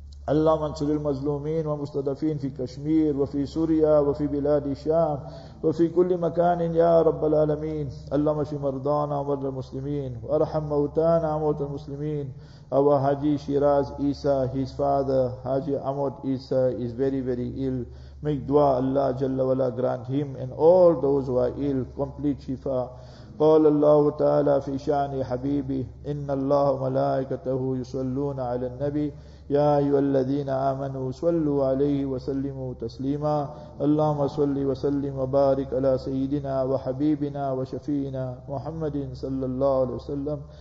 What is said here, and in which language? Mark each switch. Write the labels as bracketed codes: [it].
[ar] اللهم انصر المظلومين والمستضعفين في كشمير وفي سوريا وفي بلاد الشام وفي كل مكان يا رب العالمين. اللهم اشف مرضانا ومرضى المسلمين وارحم موتانا وموتى المسلمين. [en] Our Haji Shiraz Isa, his father, Haji Ahmad Isa, is very, very ill. Make dua, Allah Jalla Wala grant him and all those who are ill complete shifa. [ar] قال الله تعالى في شأن حبيبي إن الله ملائكته يصلون على النبي يا أيها الذين آمنوا صلوا عليه وسلموا تسليما. اللهم صل وسلم وبارك على سيدنا وحبيبنا وشفينا محمد صلى الله عليه وسلم.